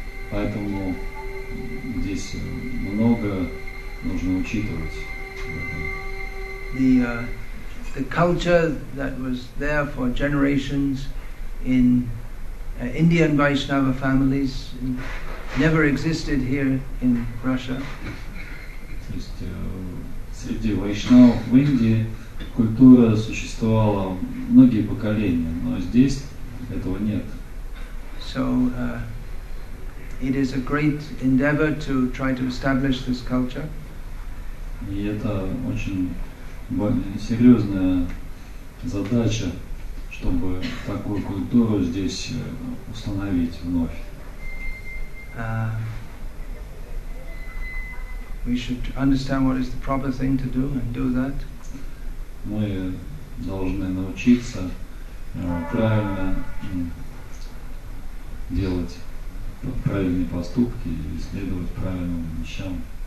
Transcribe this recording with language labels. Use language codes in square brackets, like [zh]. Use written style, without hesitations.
[ru] Поэтому здесь много нужно учитывать. [en] The culture that was there for generations in Indian Vaishnava families never existed here in Russia. [ru] То есть среди вайшнавов в Индии культура существовала многие поколения, но здесь этого нет. [en] So it is a great endeavor to try to establish this culture. [ru] И это очень серьезная задача, чтобы такую культуру здесь установить вновь. [en] We should understand what is the proper thing to do and do that. [ru] Мы должны научиться правильно делать правильные поступки и следовать правильным вещам.